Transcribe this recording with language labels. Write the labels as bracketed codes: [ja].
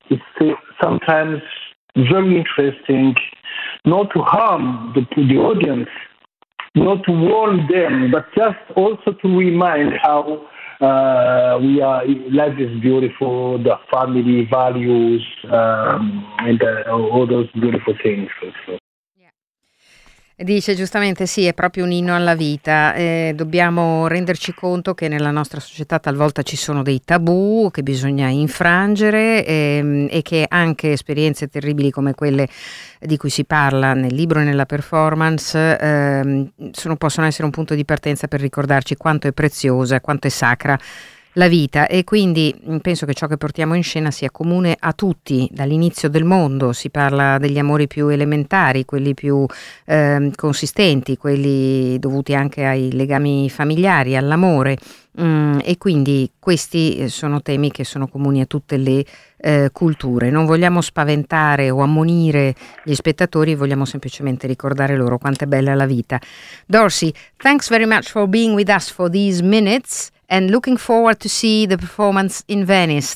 [en] It's sometimes very interesting not to harm the audience, not to warn them, but just also to remind how we are, life is beautiful, the family values, and all those beautiful things also. [it] Dice giustamente, sì, è proprio un inno alla vita, dobbiamo renderci conto che nella nostra società talvolta ci sono dei tabù che bisogna infrangere e che anche esperienze terribili come quelle di cui si parla nel libro e nella performance possono essere un punto di partenza per ricordarci quanto è preziosa, quanto è sacra la vita, e quindi penso che ciò che portiamo in scena sia comune a tutti dall'inizio del mondo. Si parla degli amori più elementari, quelli più consistenti, quelli dovuti anche ai legami familiari, all'amore, e quindi questi sono temi che sono comuni a tutte le culture. Non vogliamo spaventare o ammonire gli spettatori, vogliamo semplicemente ricordare loro quanto è bella la vita. [en] Dorsey, thanks very much for being with us for these minutes. And looking forward to see the performance in Venice.